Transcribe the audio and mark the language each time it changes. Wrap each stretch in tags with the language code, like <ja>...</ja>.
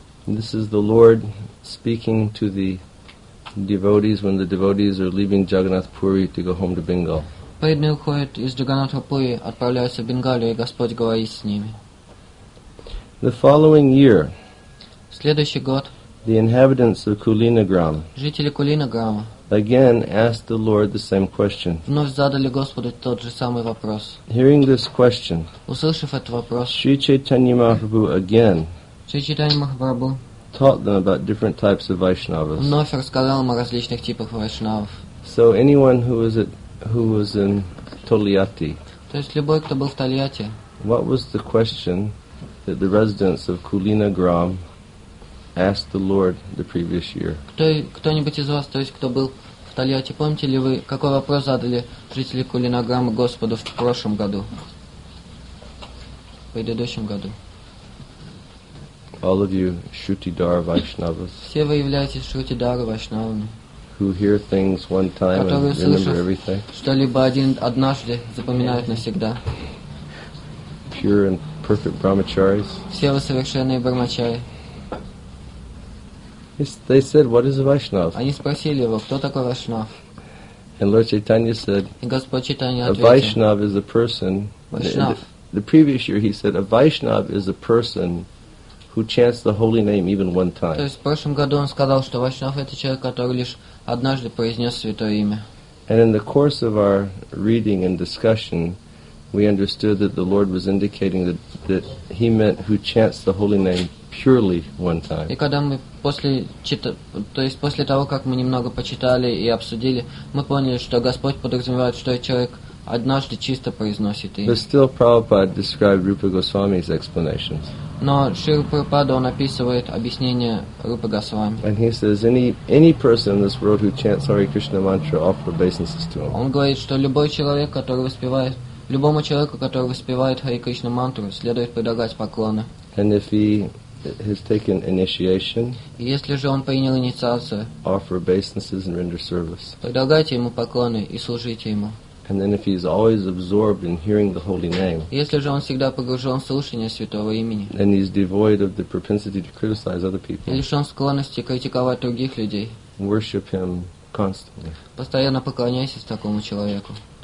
<en>This is the Lord speaking to the devotees when the devotees are leaving Jagannath Puri to go home to Bengal.</en> <ru>Преданные уходят из Джаганнатха Пури, отправляются в Бенгалию, и Господь говорит с ними.</ru> <en>The following year,</en> <ru>следующий год,</ru> <en>the inhabitants of Kulinagram,</en> <ru>жители Кулинаграма,</ru> <en>again asked the Lord the same question.</en> <ru>Вновь задали Господу тот же самый вопрос.</ru> <en>Hearing this question,</en> <ru>услышав этот вопрос,</ru> <en>Sri Chaitanya Mahaprabhu again,</en> <ru>Sri Chaitanya Mahaprabhu,</ru> <en>taught them about different types of Vaishnavas.</en> <ru>Вновь рассказал им о различных типах вайшнавов.</ru> <en>So anyone who was in Toliati,</en> <ru>то есть любой, кто был в Тольятти,</ru> <en>what was the question that the residents of Kulinagram asked the Lord the previous year?</en> <ru>Кто-нибудь из вас, то есть кто был в Тольятти, помните ли вы, какой вопрос задали жители Кулинаграма Господу в прошлом году? В предыдущем году?</ru> <en>All of you Shrutidhara Vaishnavas.</en> <ru>Все вы являетесь Shrutidhara Vaishnavami.</ru> <en>Who hear things one time and remember everything.</en> <ru>Что-либо один однажды запоминают навсегда.</ru> <en>Pure and perfect brahmacharis.</en> <ru>Все вы совершенные брахмачари.</ru> <en>They said, what is a Vaishnav?</en> <ru>Они спросили его, кто такой Вайшнав?</ru> <en>And Lord Chaitanya said,</en> <ru>и Господь Чайтанья ответил,</ru> <en>a Vaishnav is a person.</en> <ru>Vaishnav.</ru> <en>The previous year he said, a Vaishnav is a person who chants the holy name even one time.</en> <ru>То есть в прошлом году он сказал, что Вайшнав это человек, который лишь однажды произнес святое имя.</ru> <en>And in the course of our reading and discussion, we understood that the Lord was indicating that he meant who chants the holy name purely one time.</en> <ru>И когда мы после того, как мы немного почитали и обсудили, мы поняли, что Господь подразумевает, что человек однажды чисто произносит имя.</ru> <en>But still Prabhupada described Rupa Goswami's explanations.</en> <ru>Но Шрила Прабхупада, он описывает объяснение Рупы Госвами.</ru> <en>And he says, any person in this world who chants Hare Krishna mantra offer obeisances to him.</en> <ru>Он говорит, что любому человеку, который воспевает Хари Кришна мантру, следует предлагать поклоны.</ru> <en>And if he has taken initiation,</en> <ru>если же он принял инициацию,</ru> <en>offer obeisances and render service.</en> <ru>Предлагайте ему поклоны и служите ему.</ru> <en>And then if he is always absorbed in hearing the holy name,</en> <ru>если же он всегда погружен в слушание святого имени,</ru> <en>then he is devoid of the propensity to criticize other people,</en> <ru>лишен склонности критиковать других людей,</ru> <en>worship him constantly.</en> <ru>Постоянно поклоняйся такому человеку.</ru>